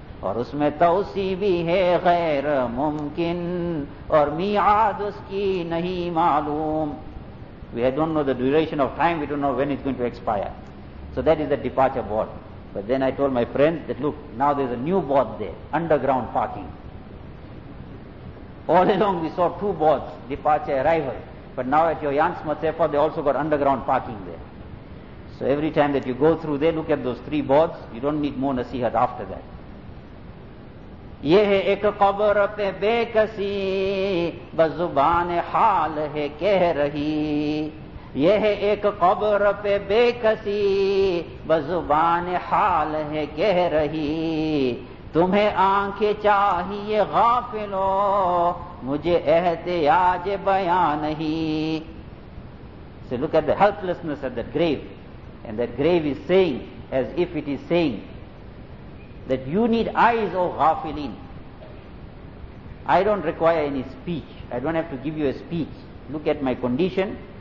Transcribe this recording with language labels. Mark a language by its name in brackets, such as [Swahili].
[Urdu] اور اس میں توسیع بھی ہے غیر ممکن اور میعاد اس کی نہیں معلوم. [English] We don't know the duration of time, we don't know when it's going to expire. So that is the departure board. But then I told my friend that, look, now there's a new board there, underground parking. All along we saw two boards, departure, arrival. But now at your Yans Matsepa, they also got underground parking there. So every time that you go through there, look at those three boards, you don't need more nasihat after that. [Urdu] یہ ہے ایک قبر پہ بے کسی بزبان حال ہے کہہ رہی یہ ہے ایک قبر پہ بے کسی بزبان حال ہے کہہ رہی تمہیں آنکھیں چاہیے غافلو مجھے احتیاج بیان نہیں. [English] So look at the helplessness of that grave, and that grave is saying, as if it is saying, that you need eyes, O ghafilin. I don't require any speech. I don't have to give you a speech. Look at my condition.